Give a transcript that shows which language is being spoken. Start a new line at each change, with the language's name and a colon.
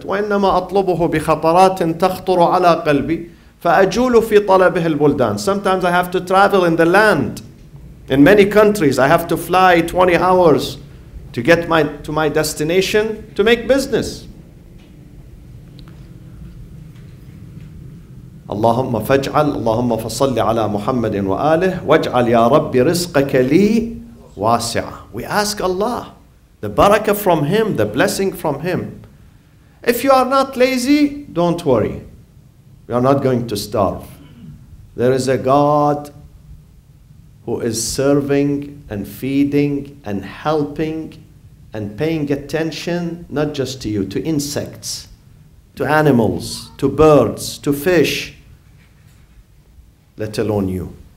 Arabic: وَإِنَّمَا أَطْلُبُهُ بِخَطَرَاتٍ تَخْطُرُ عَلَى قَلْبِي فَأَجُولُ فِي طَلَبِهِ الْبُلْدَانِ.
English: Sometimes I have to travel in the land. In many countries, I have to fly 20 hours to get to my destination to make business.
Arabic: اللهم فاجعل اللهم فصل على محمد وآله واجعل يا ربي رزقك لي واسعة.
English: We ask Allah, the barakah from Him, the blessing from Him. If you are not lazy, don't worry. You are not going to starve. There is a God who is serving and feeding and helping and paying attention, not just to you, to insects, to animals, to birds, to fish, let alone you.